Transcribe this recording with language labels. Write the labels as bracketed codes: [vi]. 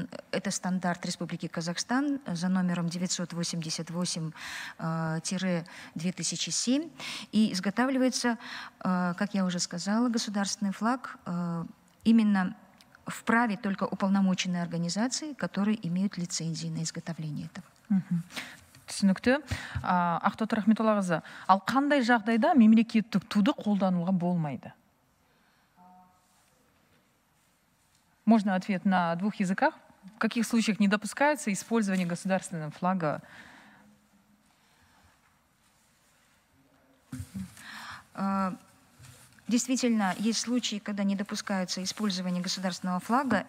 [ru] Это стандарт Республики Казахстан за номером 988-2007. И изготавливается, как я уже сказала, государственный флаг именно вправе только уполномоченные организации, которые имеют лицензии на изготовление этого. [kk] Түсінікті. Ақтот Рахметоллағызы, ал қандай жағдайда мемлекеттік туды қолдануға болмайды? [ru] Можно ответ на двух языках? В каких случаях не допускается использование государственного флага? Действительно, есть случаи, когда не допускается использование государственного флага.